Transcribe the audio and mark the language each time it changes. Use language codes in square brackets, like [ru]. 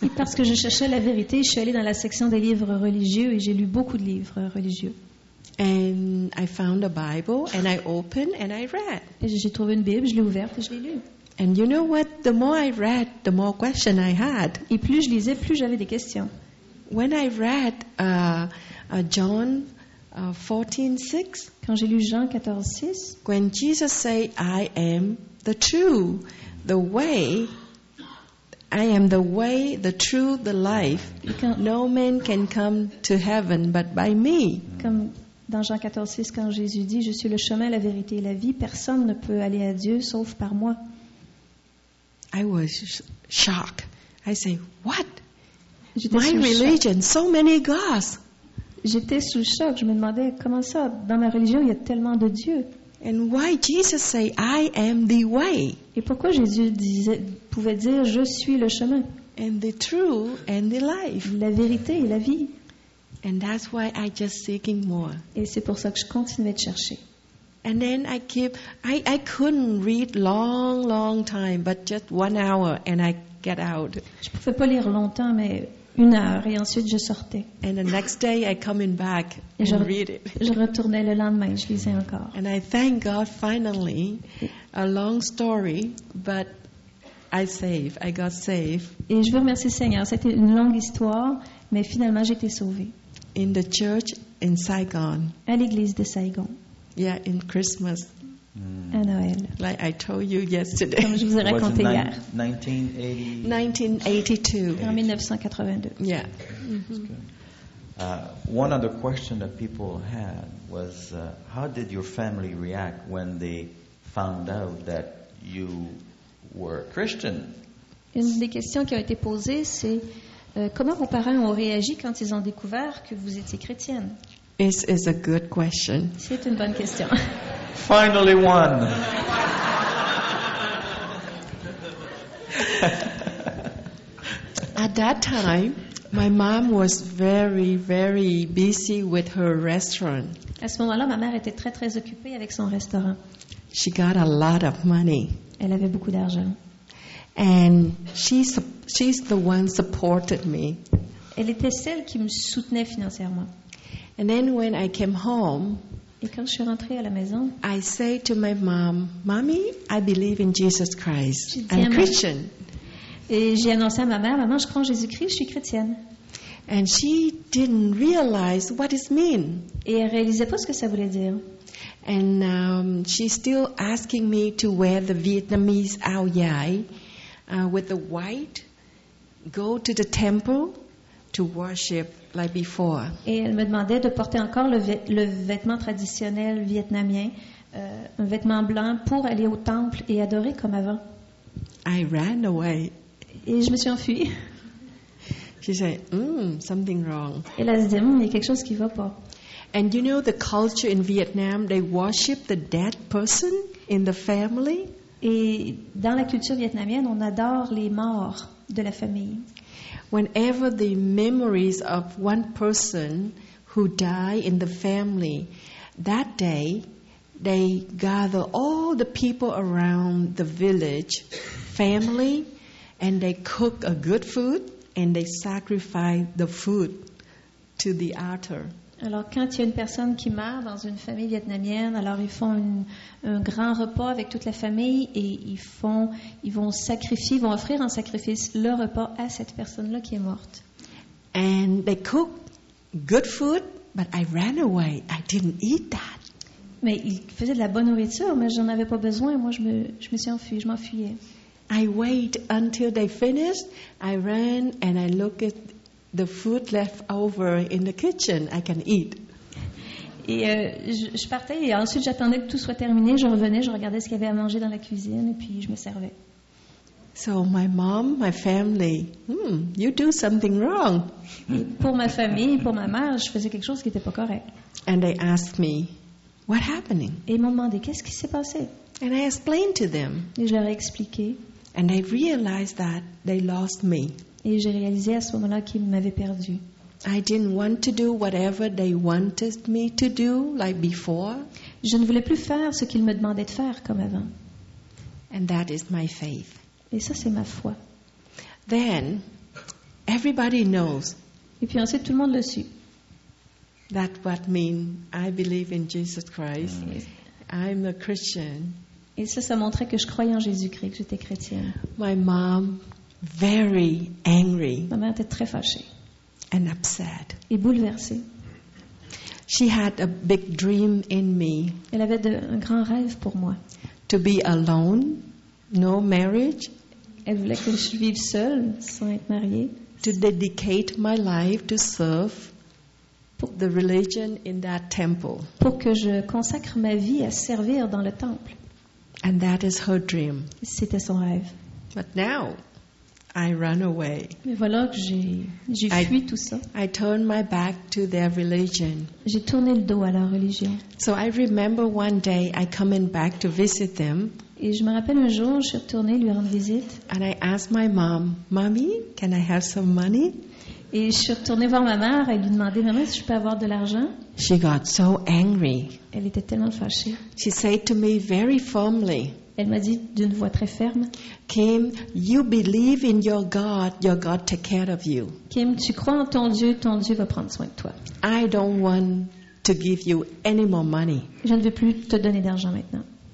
[fr] Et parce que je cherchais la vérité, je suis allée dans la section des livres religieux et j'ai lu beaucoup de livres religieux. [en] And I found a Bible and I opened and I read. [fr] Et j'ai trouvé une Bible, je l'ai ouverte et je l'ai lue. [en] And you know what? The more I read, the more questions I had. [fr] Et plus je lisais, plus j'avais des questions. [en] When I read John 14:6, [fr] quand j'ai lu Jean 14:6, [en] when Jesus say, I am the truth, the way, I am the way, the truth, the life. No man can come to heaven but by me. [fr] Comme dans Jean 14:6, quand Jésus dit, je suis le chemin, la vérité et la vie. Personne ne peut aller à Dieu sauf par moi. [en] I was shocked. I say, what? [fr] J'étais [en] my religion, [fr] choc. [en] So many gods. [fr] J'étais sous choc. Je me demandais comment ça, dans ma religion, il y a tellement de dieux. [en] And why Jesus say, I am the way? [fr] Et pourquoi Jésus pouvait dire, je suis le chemin. [en] And the truth and the life. [fr] La vérité et la vie. [en] And that's why I just seeking more. [fr] Et c'est pour ça que je continuais de chercher. [en] And then I couldn't read long time, but just 1 hour and I get out. [fr] Je pouvais pas lire longtemps, mais une heure et ensuite je sortais. [en] And the next day I come in back and read it. [fr] Je retournais le lendemain, je lisais encore. [en] And I thank God finally, a long story, but I got saved. [fr] Et je veux remercier le Seigneur. C'était une longue histoire, Mais finalement, j'étais sauvée. [en] In the church in Saigon. [fr] À l'église de Saigon. [en] Yeah, in Christmas. [fr] À Noël. [en] Like I told you yesterday. [fr] Comme je vous ai raconté hier. [en] 1982. Yeah. Mm-hmm. One other question that people had was, how did your family react when they found out that you were a Christian? [fr] Une des questions qui a été posée, c'est comment vos parents ont réagi quand ils ont découvert que vous étiez chrétienne? [en] This is a good question. [fr] C'est une bonne question. [en] Finally one. At that time, my mom was very, very busy with her restaurant. [fr] À ce moment-là, ma mère était très, très occupée avec son restaurant. [en] She got a lot of money. [fr] Elle avait beaucoup d'argent. [en] And she's the one supported me. [fr] Elle était celle qui me soutenait financièrement. [en] And then when I came home, [fr] et quand je suis rentrée à la maison, [en] I say to my mom, "Mommy, I believe in Jesus Christ. I'm a Christian." [fr] Et j'ai annoncé à ma mère, maman, je crois en Jésus-Christ, je suis chrétienne. [en] And she didn't realize what it mean. [fr] Et elle réalisait pas ce que ça voulait dire. [en] And she's still asking me to wear the Vietnamese áo dài with the white, go to the temple to worship like before. [fr] Et elle me demandait de porter encore le vêtement traditionnel vietnamien, un vêtement blanc, pour aller au temple et adorer comme avant. [en] I ran away. [fr] Et je me suis enfuie. [en] She said, something wrong. [fr] Et là, elle se dit, il y a quelque chose qui ne va pas. [en] And you know the culture in Vietnam, they worship the dead person in the family. [fr] Et dans la culture vietnamienne, on adore les morts de la famille. [en] Whenever the memories of one person who died in the family, that day, they gather all the people around the village, family, and they cook a good food and they sacrifice the food to the altar. [fr] Alors quand il y a une personne qui meurt dans une famille vietnamienne, alors ils font un grand repas avec toute la famille et ils vont offrir en sacrifice le repas à cette personne-là qui est morte. [en] And they cook good food, but I ran away. I didn't eat that. [fr] Mais ils faisaient de la bonne nourriture, mais j'en avais pas besoin. Moi, je me suis enfuie, je m'enfuyais. [en] I wait until they finished. I ran and I look at the food left over in the kitchen. I can eat. [fr] Et je partais et ensuite j'attendais que tout soit terminé. Je revenais, je regardais ce qu'il y avait à manger dans la cuisine et puis je me servais. [en] So my mom, my family, you do something wrong. [fr] Et pour ma famille, pour ma mère, je faisais quelque chose qui n'était pas correct. [en] And they asked me, what happening? [fr] Et ils m'ont demandé, qu'est-ce qui s'est passé? [en] And I explained to them. [fr] Et je leur ai expliqué. [en] And they realized that they lost me. [fr] Et j'ai réalisé à ce moment-là qu'ils m'avaient perdue. [en] I didn't want to do whatever they wanted me to do like before. [fr] Je ne voulais plus faire ce qu'ils me demandaient de faire comme avant. [en] And that is my faith. [fr] Et ça, c'est ma foi. [en] Then everybody knows. [fr] Et puis ensuite, tout le monde le sut. [en] That what mean I believe in Jesus Christ. I'm a Christian. [fr] Et ça montrait que je croyais en Jésus-Christ, que j'étais chrétienne. [en] My mom, very angry. [fr] Ma mère était très fâchée. [en] And upset. [fr] Et bouleversée. [en] She had a big dream in me. [fr] Elle avait un grand rêve pour moi. [en] To be alone, no marriage. [fr] Elle voulait que je vive seule, sans être mariée. [en] To dedicate my life to serve. The religion in that temple. [fr] Pour que je consacre ma vie à servir dans le temple. [en] And that is her dream. [fr] C'était son rêve. [en] But now, I run away. [fr] Mais voilà que j'ai fui tout ça. [en] I turn my back to their religion. [fr] J'ai tourné le dos à leur religion. [en] So I remember one day I coming back to visit them. [fr] Et je me rappelle un jour, je suis retournée lui rendre visite. [en] And I asked my mom, "Mommy, can I have some money?" [fr] Et je suis retournée voir ma mère et lui demander, maman, si je peux avoir de l'argent. [en] She got so angry. [fr] Elle était tellement fâchée. [en] She said to me very firmly. [fr] Elle m'a dit d'une voix très ferme. [en] Kim, you believe in your God take care of you. [fr] Kim, tu crois en ton Dieu va prendre soin de toi. [en] I don't want to give you any more money. [fr] Je ne veux plus te donner d'argent maintenant.